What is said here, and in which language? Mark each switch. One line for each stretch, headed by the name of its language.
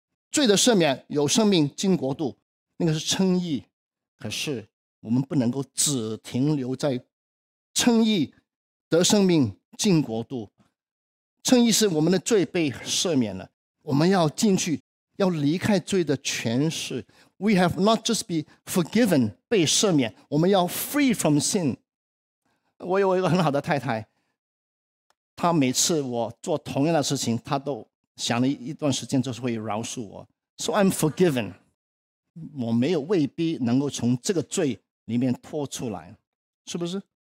Chinese: 罪的赦免，有生命进国度，那个是称义。可是我们不能够只停留在称义得生命进国度，称义是我们的罪被赦免了，我们要进去，要离开罪的权势。
English: We have not just be forgiven
Chinese: 被赦免，我们要
English: free from sin。
Chinese: 我有一个很好的太太，她每次我做同样的事情，她都想了一段时间就是会饶恕我。
English: So I'm forgiven，
Chinese: 我没有未必能够从这个罪里面脱出来，是不是？